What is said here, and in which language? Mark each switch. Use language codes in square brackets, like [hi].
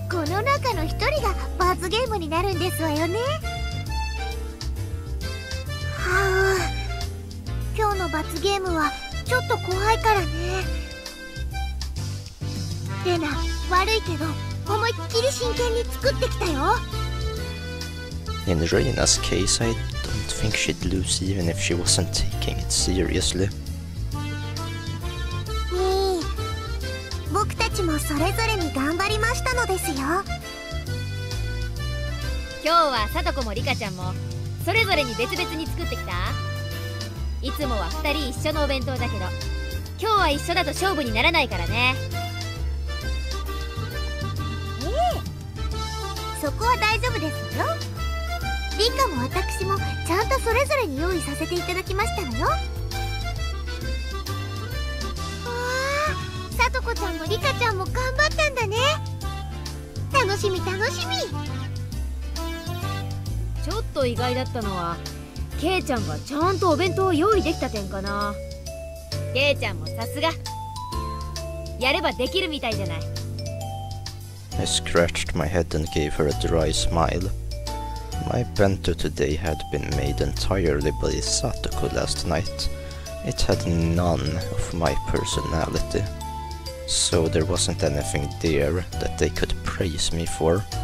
[ja] この中の一人が罰ゲームになるんですわよね。はあ、今日の罰ゲームはちょっと怖いからね。レナ、悪いけど思いっきり真剣に作ってきたよ。 [en] In Reina's case, I don't think she'd lose even if she wasn't taking it seriously. We all worked hard for each other. Today, Satoko and Rika-chan made each other's meals separately. We usually have two meals together, but today we're not going to fight together. Yes, we're going to fight together. [ja] リカも私もちゃんとそれぞれに用意させていただきましたのよ。わあ、サトコちゃんもリカちゃんも頑張ったんだね。楽しみ楽しみ。ちょっと意外だったのは、ケイちゃんがちゃんとお弁当を用意できた点かな。ケイちゃんもさすが。やればできるみたいじゃない。 [en] I scratched my head and gave her a dry smile. My bento today had been made entirely by Satoko last night. It had none of my personality. So there wasn't anything there that they could praise me for.